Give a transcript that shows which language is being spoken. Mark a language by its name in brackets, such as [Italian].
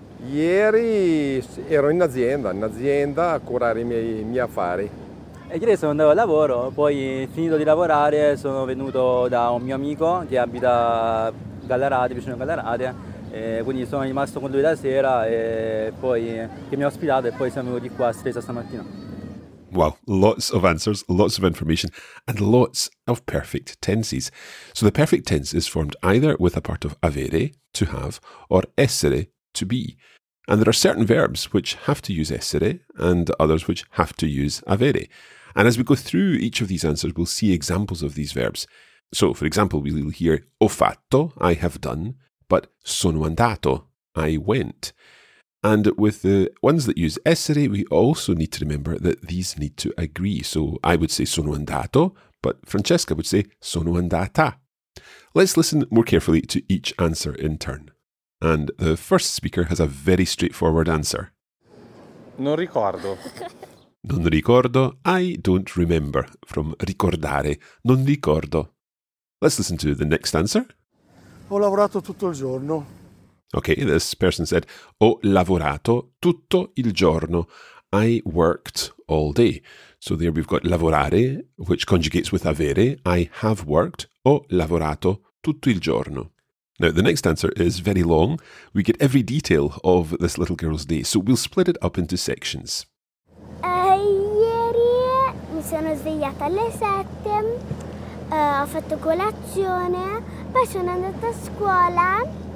[Italian] Ieri ero in azienda a curare i miei affari. E ieri sono andato al lavoro, poi finito di lavorare sono venuto da un mio amico che abita vicino a Gallarate, e quindi sono rimasto con lui la sera e poi che mi ha ospitato e poi siamo venuti qua a Stresa stamattina. [English] Well, lots of answers, lots of information, and lots of perfect tenses. So the perfect tense is formed either with a part of avere, to have, or essere, to be. And there are certain verbs which have to use essere, and others which have to use avere. And as we go through each of these answers, we'll see examples of these verbs. So, for example, we'll hear [Italian] ho fatto, [English] I have done, but [Italian] sono andato, [English] I went. And with the ones that use essere, we also need to remember that these need to agree. So I would say [Italian] sono andato, [English] but Francesca would say [Italian] sono andata. [English] Let's listen more carefully to each answer in turn. And the first speaker has a very straightforward answer. [Italian] Non ricordo. Non ricordo. [English] I don't remember. From [Italian] ricordare. Non ricordo. [English] Let's listen to the next answer. [Italian] Ho lavorato tutto il giorno. [English] Okay, this person said, [Italian] ho lavorato tutto il giorno. [English] I worked all day. So there we've got lavorare, which conjugates with avere. I have worked, [Italian] ho lavorato tutto il giorno. [English] Now, the next answer is very long. We get every detail of this little girl's day. So we'll split it up into sections. [Italian] Ieri mi sono svegliata alle 7. Ho fatto colazione. Poi sono andata a scuola.